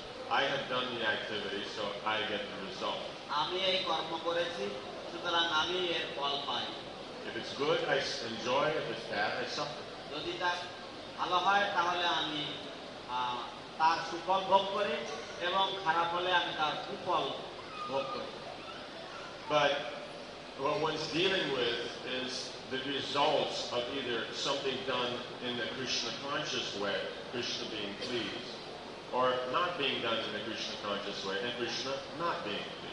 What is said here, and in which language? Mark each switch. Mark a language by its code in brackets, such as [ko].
[en] I have done the activity, so I get the result. [bn] আমি এই কর্ম করেছি সুতরাং আমি এর ফল পাই। [en] If it's good, I enjoy. If it's bad, I suffer. [bn] যদি তা ভালো হয় তাহলে আমি তার সুফল ভোগ করি এবং খারাপ হলে আমি তার কুফল ভোগ করি। [en] But what one's dealing with is the results of either something done in the Krishna conscious way, Krishna being pleased, or not being done in the Krishna conscious way, and Krishna not being